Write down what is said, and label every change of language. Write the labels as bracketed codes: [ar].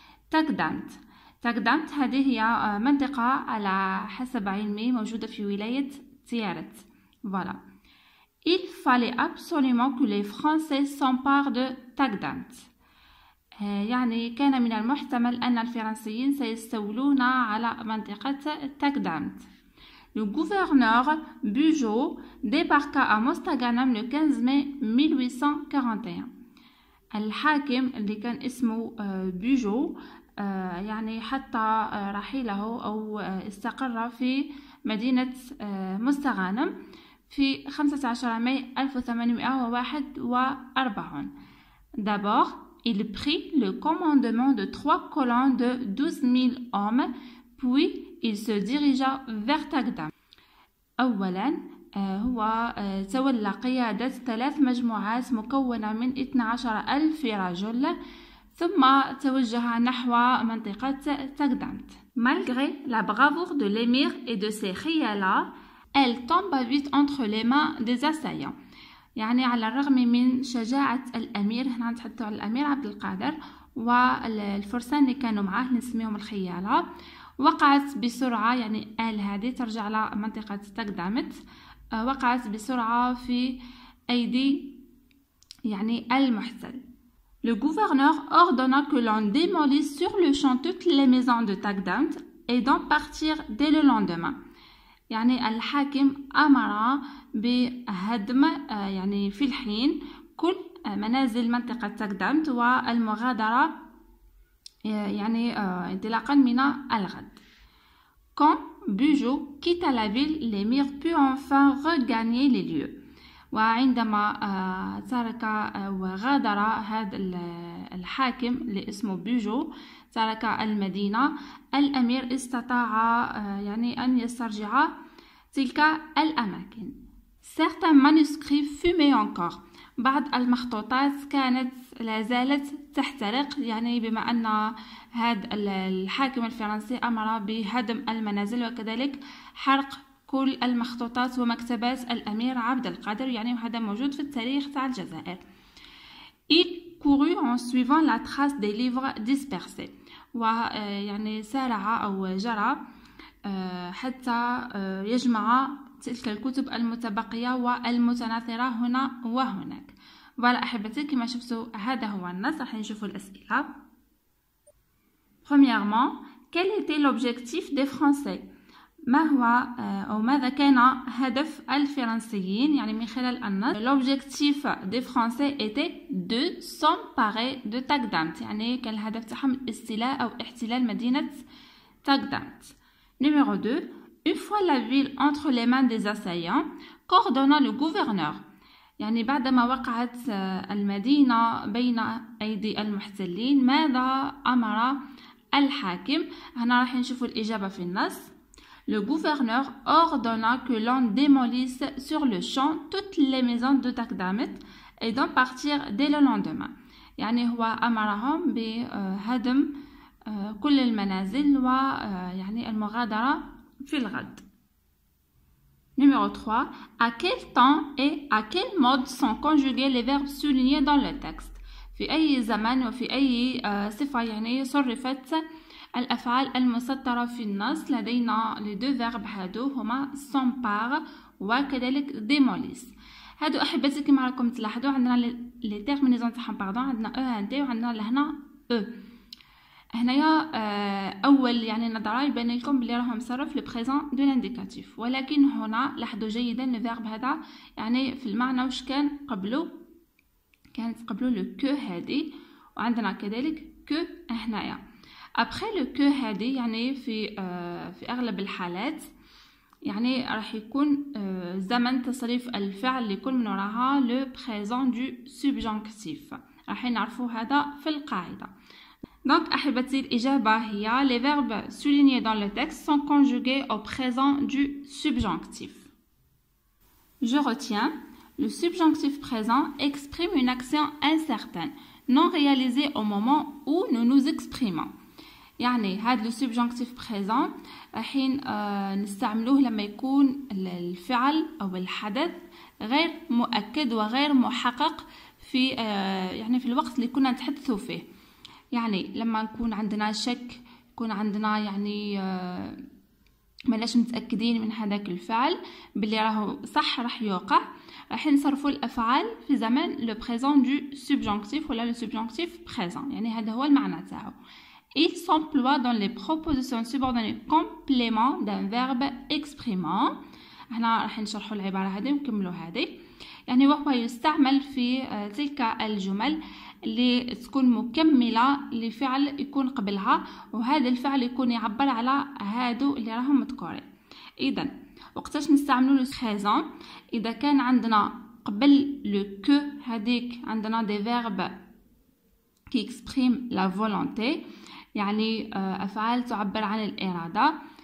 [ar] تقدمت، تقدمت هذه هي منطقة على حسب علمي موجودة في ولاية تيارت. [fr] فوالا، il fallait absolument que les Français s'emparent de Tagdamt. [ar] يعني كان من المحتمل أن الفرنسيين سيستولون على منطقة تاغدامت. [fr] Le gouverneur Bugeaud débarqua à Mostaganem le 15 mai 1841. [ar] الحاكم اللي كان اسمه Bugeaud يعني حتى رحيله أو استقر في مدينة مستغانم في 15 مايو 1841. [fr] D'abord, il prit le commandement de trois colons de 12,000 hommes, puis il se dirigea vers Tagdam. [ar] أولا هو تولى قيادة ثلاث مجموعات مكونة من 12,000 رجل، ثم توجه نحو منطقة تاغدام. [fr] Malgré la bravoure de l'émir et de ses khiyalas, elle tomba vite entre les mains des assaillants. [ar] يعني على الرغم من شجاعة الأمير، هنا نتحدث عن الأمير عبد القادر والفرسان اللي كانوا معاه نسميهم الخيالة، وقعت بسرعة، يعني آل هذه ترجع لمنطقة تقدمت، وقعت بسرعة في أيدي يعني المحتل. [fr] Le gouverneur ordonna que l'on démolisse sur le champ toutes les maisons de Tagdamt et d'en partir dès le lendemain. [ar] يعني الحاكم أمر بهدم يعني في الحين كل منازل منطقة تاغدامت والمغادرة يعني انطلاقا من الغد. [fr] Quand Bugeaud quitta la ville, l'émir put enfin regagner les lieux. [ar] وعندما ترك وغادر هذا الحاكم اللي اسمه بيجو ترك المدينة، الأمير استطاع يعني أن يسترجع تلك الأماكن. [fr] Certains manuscrits fumaient encore. [ar] بعض المخطوطات كانت لا زالت تحترق، يعني بما أن هذا الحاكم الفرنسي أمر بهدم المنازل وكذلك حرق كل المخطوطات ومكتبات الأمير عبد القادر، يعني هذا موجود في التاريخ تاع الجزائر. [fr] Il courut en suivant la trace des livres dispersés. [ar] ويعني سارع أو جرى حتى يجمع تلك الكتب المتبقية والمتناثرة هنا وهناك. ولا أحبتي كما شفتوا هذا هو النص، راح نشوفوا الأسئلة. [fr] Premièrement, quel était l'objectif des Français؟ [ar] ما هو أو ماذا كان هدف الفرنسيين يعني من خلال النص؟ [fr] L'objectif des Français était de s'emparer de Tagdamt، [ar] يعني كان الهدف تاعهم الاستيلاء أو احتلال مدينة تاغدامت. [fr] Numéro 2. Une fois la ville entre les mains des assaillants, coordonna le gouverneur. [ar] يعني بعدما وقعت المدينة بين أيدي المحتلين، ماذا أمر الحاكم؟ هنا راح نشوفوا الإجابة في النص. [fr] Le gouverneur ordonna que l'on démolisse sur le champ toutes les maisons de Tagdamt et d'en partir dès le lendemain. [ar] يعني هو أمرهم بهدم كل المنازل و يعني المغادرة في الغد. [fr] Numéro 3. À quel temps et à quel mode sont conjugués les verbes soulignés dans le texte؟ [ar] في أي زمان وفي أي صفة يعني صرفت الأفعال المسطرة في النص لدينا لي دو فيرب هادو هما سومبار وكذلك ديموليس. هادو أحبتي كيما راكم تلاحظوا عندنا لي تيرمينيزون تاعهم باردون عندنا او ان تي وعندنا لهنا او. هنايا اول يعني نظره يبان لكم بلي راهم صرف لو بريزون دو لانديكاتيف، ولكن هنا لاحظوا جيدا لو فيرب هذا يعني في المعنى واش كان قبلو، كانت قبلو لو كو هادي وعندنا كذلك كو هنايا. ابخي لو كو هادي يعني في اغلب الحالات يعني راح يكون زمن تصريف الفعل اللي يكون من وراها لو بريزون دو سوبجونكتيف، راح نعرفوا هذا في القاعده. [fr] Donc, [ar] أحبتي الإجابة هي [fr] les verbes soulignés dans le texte sont conjugués au présent du subjonctif. Je retiens, le subjonctif présent exprime une action incertaine, non réalisée au moment où nous nous exprimons. [ar] يعني هذا السبجونكتيف بريزون الحين نستعملوه لما يكون الفعل أو الحدث غير مؤكد وغير محقق في يعني في الوقت اللي كنا نتحدث فيه. يعني لما نكون عندنا شك، يكون عندنا يعني مالاش متأكدين من هذاك الفعل باللي راهو صح راح يوقع، راح نصرفوا الافعال في زمن لو بريزون دو سوبجونكتيف ولا لو سوبجونكتيف بريزون، يعني هذا هو المعنى تاعو. [fr] Il s'emploie dans les propositions subordonnées complément d'un verbe exprimant. [ar] هنا راح نشرحوا العباره هذه ونكملوا هذه. يعني وهو يستعمل في تلك الجمل اللي تكون مكملة لفعل يكون قبلها، وهذا الفعل يكون يعبر على هادو اللي راهم مذكورين. اذا وقتاش نستعملوا لو بريزون؟ اذا كان عندنا قبل لو كو هذيك عندنا دي فيرب كي اكسبريم لا فولونتي، يعني افعال تعبر عن الاراده.